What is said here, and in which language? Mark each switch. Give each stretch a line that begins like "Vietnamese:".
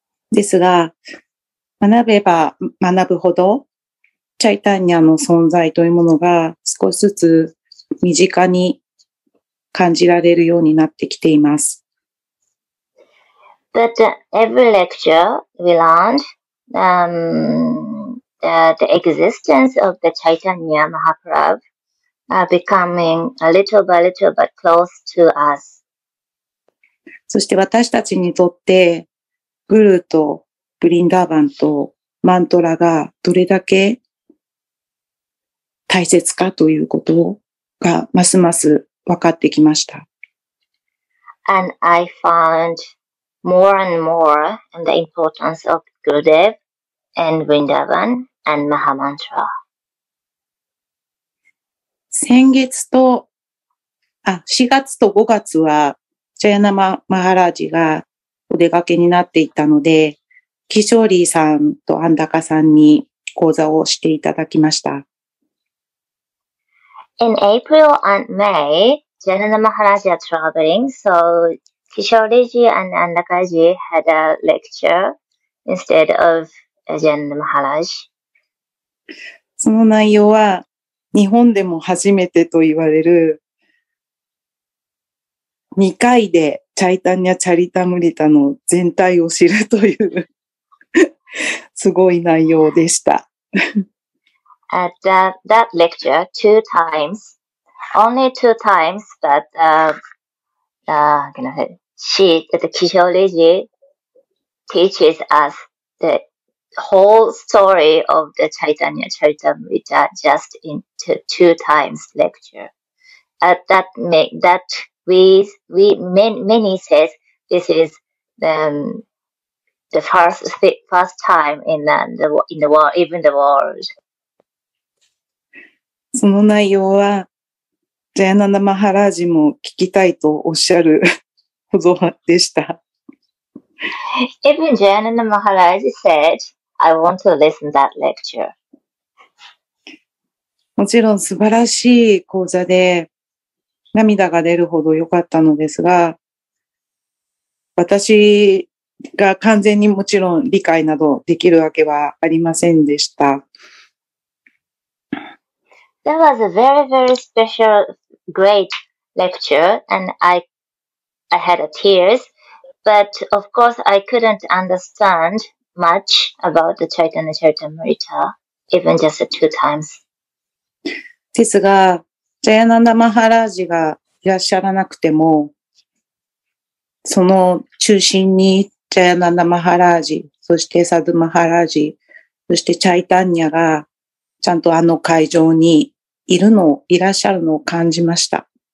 Japanese: ですが、学べば学ぶほどチャイタンニャの存在というものが少しずつ身近に感じられるようになってきています。
English: But every lecture we learned, the existence of the Chaitanya Mahaprabhu are becoming a little by little but close to us.
Japanese: そして私たちにとって、グルとブリンダーバンとマントラがどれだけ大切かということがますます分かってきました。
English: And I found more and more the importance of Gurudev and Vrindavan and Mahamantra.
Japanese: 先月と、4月と5月は、ジャヤナ・マハラージがお出かけになっていたので、キショーリーさんとアンダカさんに講座をしていただきました。
English: In April and May, Jananda Maharaja are traveling, so Kishori ji and Andaka ji had a lecture instead of Jananda Maharaj. その内容は日本でも初めてと言われる2回でチャイタニア・チャリタムリタの全体を知るというすごい内容でした。 At that lecture, two times, only two times, but, Kishoreji teaches us the whole story of the Chaitanya Charitamrita just in two times lecture. At that, many says this is the first time in the world.
Japanese: その内容は、ジャヤナナ・マハラージも聞きたいとおっしゃるほどでした。
English: Even ジャヤナナ・マハラージ said, I want to listen that lecture.
Japanese: もちろん素晴らしい講座で、涙が出るほど良かったのですが、私が完全にもちろん理解などできるわけはありませんでした。
English: That was a very, very special, great lecture, and I had a tears, but of course I couldn't understand much about the Chaitanya Charitamrita, even just two times.
Japanese: ですが、ジャヤナンダ・マハラージがいらっしゃらなくても、その中心にジャヤナンダ・マハラージ、そしてサドゥ・マハラージ、そしてチャイタンニャがちゃんとあの会場にいらっしゃるのを感じました。